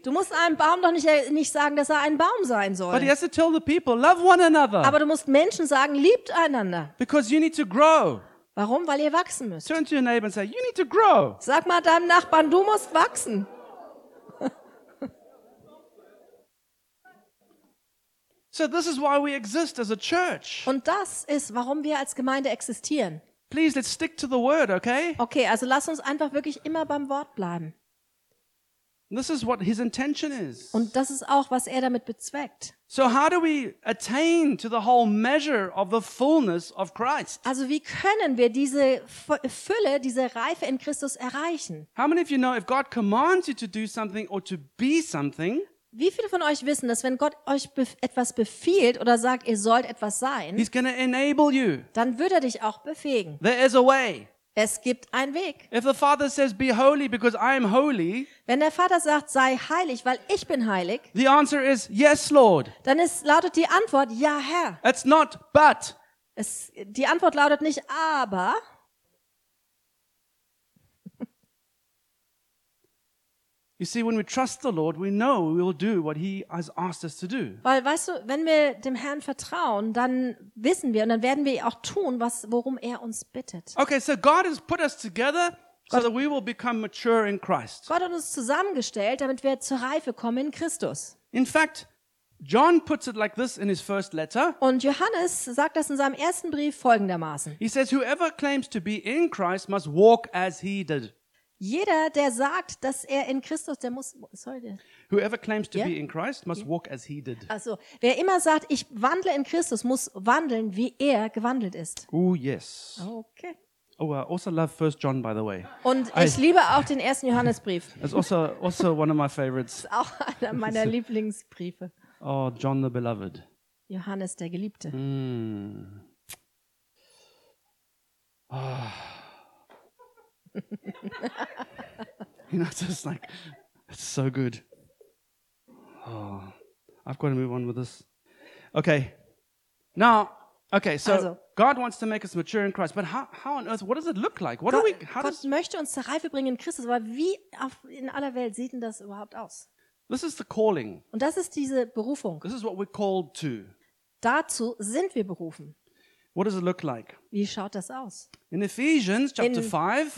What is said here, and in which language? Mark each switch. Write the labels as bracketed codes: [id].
[de] Du musst einem Baum doch nicht sagen, dass er ein Baum sein soll. [en] But he has to tell the people, love one another. [de] Aber du musst Menschen sagen, liebt einander. [en] Because you need to grow. [de] Warum? Weil ihr wachsen müsst. [en] Turn to your neighbor and say, you need to grow. [de] Sag mal deinem Nachbarn, du musst wachsen. [en] So this is why we exist as a church. [de] Und das ist, warum wir als Gemeinde existieren. [en] Please, let's stick to the word, okay? [de] Okay, also lass uns einfach wirklich immer beim Wort bleiben. [en] This is what his intention is. [de] Und das ist auch, was er damit bezweckt. [en] So how do we attain to the whole measure of the fullness of Christ? [de] Also wie können wir diese Fülle, diese Reife in Christus erreichen? [en] How many of you know if God commands you to do something or to be something? [de] Wie viele von euch wissen, dass wenn Gott euch etwas befiehlt oder sagt, ihr sollt etwas sein, [en] he's gonna enable you. [de] Dann wird er dich auch befähigen. [en] There is a way. [de] Es gibt einen Weg. [en] If the Father says, be holy because I am holy, [de] wenn der Vater sagt, sei heilig, weil ich bin heilig, [en] the answer is, yes, Lord. [de] Dann lautet die Antwort, ja, Herr. [en] It's not but. [de] Die Antwort lautet nicht, aber. [en] You see, when we trust the Lord, we know we will do what he has asked us to do. [de] Weil weißt du, wenn wir dem Herrn vertrauen, dann wissen wir und dann werden wir auch tun, was worum er uns bittet. [en] Okay, so God has put us together so that we will become mature in Christ. [de] Gott hat uns zusammengestellt, damit wir zur Reife kommen in Christus. [en] In fact, John puts it like this in his first letter. [de] Und Johannes sagt das in seinem ersten Brief folgendermaßen. [en] He says, whoever claims to be in Christ must walk as he did. [de] Jeder, der sagt, dass er in Christus, der muss, sorry. [en] Whoever claims to be in Christ must walk as he did. [de] Also, wer immer sagt, ich wandle in Christus, muss wandeln, wie er gewandelt ist. [en] Oh, yes. Okay. Oh, I also love 1 John, by the way. [de] Und ich liebe auch den ersten Johannesbrief. [en] It's also one of my favorites. [de] Ist auch einer meiner Lieblingsbriefe. [en] Oh, John the Beloved. [de] Johannes, der Geliebte. [en] You know, it's just like, it's so good. Oh, I've got to move on with this. Okay. Now, okay, so also, God wants to make us mature in Christ, but how on earth, what does it look like? [de] Gott möchte uns zur Reife bringen in Christus, aber wie in aller Welt sieht denn das überhaupt aus? [en] This is the calling. [de] Und das ist diese Berufung. [en] This is what we're called to. [de] Dazu sind wir berufen. [en] What does it look like? [de] Wie schaut das aus? [en] In Ephesians chapter 5.